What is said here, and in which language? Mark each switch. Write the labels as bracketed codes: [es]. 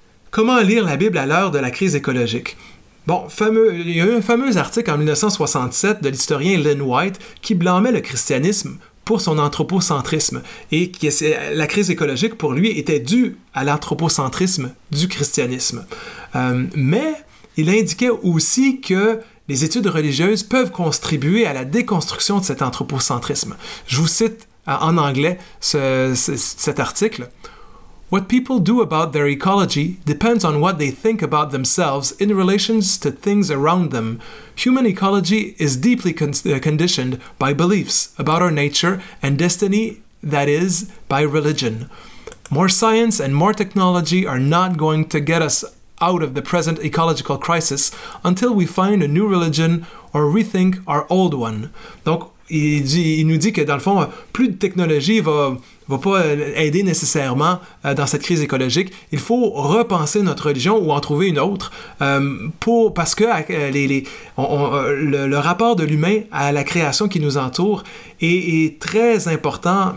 [fr] Comment lire la Bible à l'heure de la crise écologique? Bon, il y a eu un fameux article en 1967 de l'historien Lynn White qui blâmait le christianisme pour son anthropocentrisme et la crise écologique, pour lui, était due à l'anthropocentrisme du christianisme. Mais il indiquait aussi que les études religieuses peuvent contribuer à la déconstruction de cet anthropocentrisme. Je vous cite en anglais cet article. [en] What people do about their ecology depends on what they think about themselves in relation to things around them. Human ecology is deeply conditioned by beliefs about our nature and destiny, that is, by religion. More science and more technology are not going to get us out of the present ecological crisis until we find a new religion or rethink our old one. Donc, [fr] il nous dit que, dans le fond, plus de technologie va pas aider nécessairement dans cette crise écologique. Il faut repenser notre religion ou en trouver une autre parce que le rapport de l'humain à la création qui nous entoure est très important.